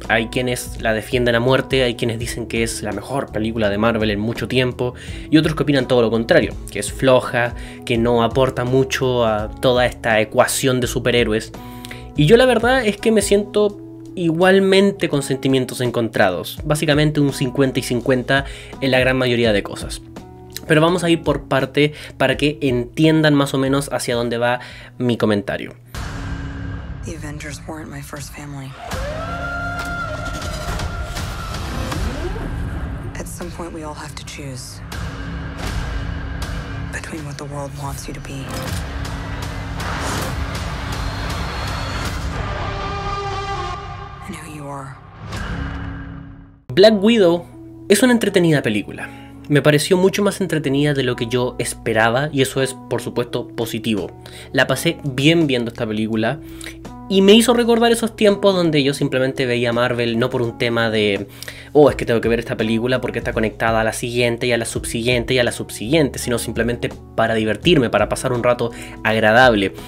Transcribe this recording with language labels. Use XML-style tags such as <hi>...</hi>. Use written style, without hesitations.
<es>Hay quienes la defienden a muerte, hay quienes dicen que es la mejor película de Marvel en mucho tiempo y otros que opinan todo lo contrario, que es floja, que no aporta mucho a toda esta ecuación de superhéroes. Y yo la verdad es que me siento igualmente con sentimientos encontrados, básicamente un 50 y 50 en la gran mayoría de cosas. Pero vamos a ir por parte para que entiendan más o menos hacia dónde va mi comentario.</es> <en>The Avengers weren't my first family. At some point we all have to choose between what the world wants you to be and who you are.</en> <es>Black Widow es una entretenida película. Me pareció mucho más entretenida de lo que yo esperaba y eso es, por supuesto, positivo. La pasé bien viendo esta película y me hizo recordar esos tiempos donde yo simplemente veía Marvel no por un tema de oh, es que tengo que ver esta película porque está conectada a la siguiente y a la subsiguiente y a la subsiguiente, sino simplemente para divertirme, para pasar un rato agradable.</es>